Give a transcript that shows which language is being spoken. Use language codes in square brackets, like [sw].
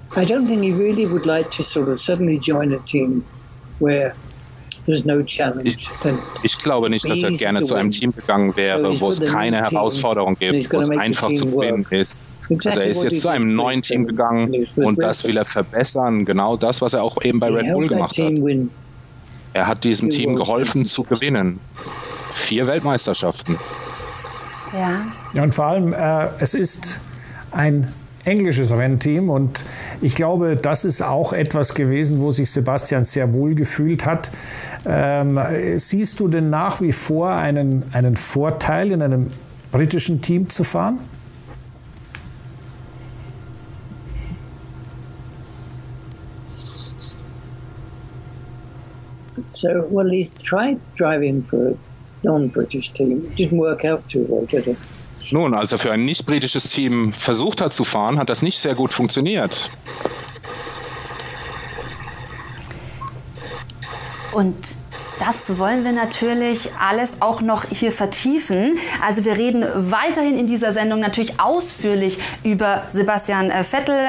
[en] I don't think he really would like to sort of suddenly join a team where there's no challenge. [de] Ich glaube nicht, dass er gerne zu einem Team gegangen wäre, wo es keine Herausforderung gibt, wo es einfach zu gewinnen ist. Also er ist jetzt zu einem neuen Team gegangen und das will er verbessern. Genau das, was er auch eben bei Red Bull gemacht hat. Er hat diesem Team geholfen zu gewinnen. 4 Weltmeisterschaften. Ja. Ja, und vor allem, es ist ein englisches Rennteam und ich glaube, das ist auch etwas gewesen, wo sich Sebastian sehr wohl gefühlt hat. Siehst du denn nach wie vor einen Vorteil, in einem britischen Team zu fahren? [en] So, well, he's tried driving for a non-British team. It didn't work out too well, did it? [de] Nun, als er für ein nicht-britisches Team versucht hat zu fahren, hat das nicht sehr gut funktioniert. Und das wollen wir natürlich alles auch noch hier vertiefen. Also wir reden weiterhin in dieser Sendung natürlich ausführlich über Sebastian Vettel.